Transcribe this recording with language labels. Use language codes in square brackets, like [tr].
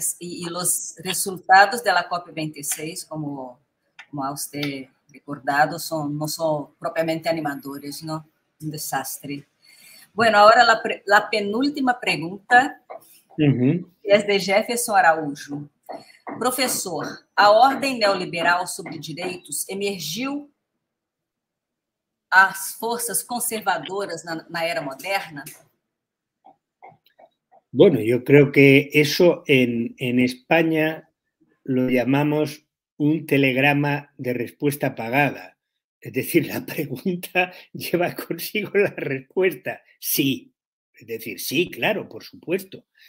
[es] Y los resultados de la COP26, como ha usted recordado, no son propiamente animadores, ¿no? Un desastre. Bueno, ahora la penúltima pregunta es de Jefferson Araújo. [pt] Profesor, a ordem neoliberal sobre direitos emergiu as forças conservadoras na era moderna? [es] Bueno, yo creo que eso en España lo llamamos un telegrama de respuesta pagada. Es decir, la pregunta lleva consigo la respuesta. Sí, es decir, sí, claro, por supuesto.